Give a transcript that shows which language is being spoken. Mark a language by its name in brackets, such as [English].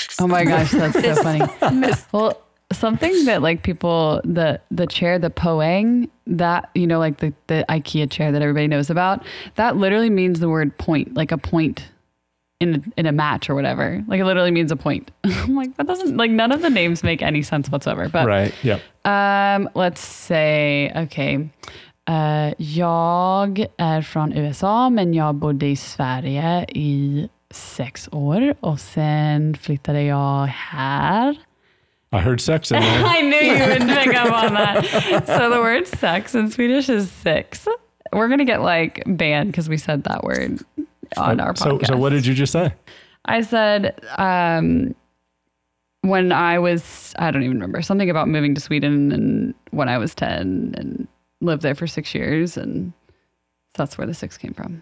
[English] Oh my gosh, that's so funny. Well, something that like people, the chair, the poeng, that, you know, like the IKEA chair that everybody knows about, that literally means the word point, like a point in a match or whatever. Like it literally means a point. I'm like, that doesn't, like none of the names make any sense whatsoever. But right, yep. Let's say, okay. [Swedish] Jag är från USA, men jag bodde I Sverige I 6 år och sen flyttade jag här. [English] I heard sex in there. I knew you would pick up on that. So the word sex in Swedish is sex. We're going to get like banned because we said that word on our podcast. So what did you just say? I said, when I was, I don't even remember, something about moving to Sweden and when I was 10 and lived there for 6 years, and that's where the six came from.